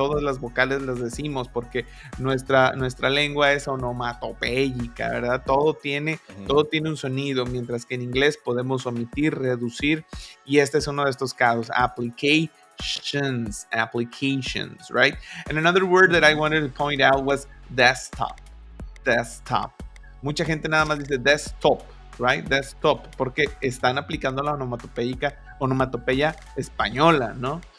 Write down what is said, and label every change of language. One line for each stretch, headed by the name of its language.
Spanish: Todas las vocales las decimos porque nuestra lengua es onomatopéyica, ¿verdad? Todo tiene un sonido, mientras que en inglés podemos omitir, reducir, y este es uno de estos casos, applications, right?
English: And another word that I wanted to point out was desktop.
Spanish: Mucha gente nada más dice desktop, right? Desktop, porque están aplicando la onomatopeya española, ¿no?